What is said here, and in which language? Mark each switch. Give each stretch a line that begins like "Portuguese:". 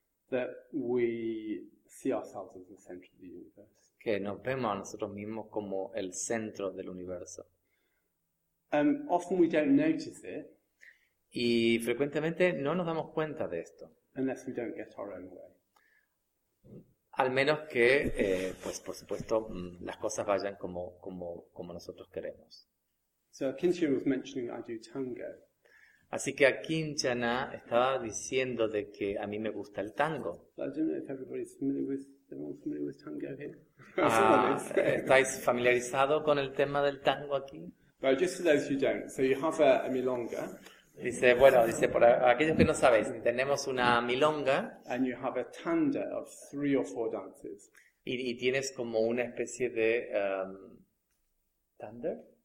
English: That we see ourselves as the center of the universe.
Spanish: Que nos vemos a nosotros mismos como el centro del universo.
English: Often we don't notice it.
Spanish: Y frecuentemente no nos damos cuenta de esto.
English: Unless we don't get our own way.
Spanish: Al menos que, pues por supuesto, las cosas vayan como nosotros queremos.
English: So Akinchana was mentioning I do tango.
Spanish: Así que Akinchana estaba diciendo de que a mí me gusta el tango.
English: I don't know if everybody's familiar with tango here.
Spanish: ¿Estáis familiarizado con el tema del tango aquí?
English: But just for those who don't, so you have a milonga.
Spanish: Dice, bueno, dice, por aquellos que no sabéis, tenemos una milonga.
English: And you have a tanda of three or four dances.
Spanish: Y tienes como una especie de tanda.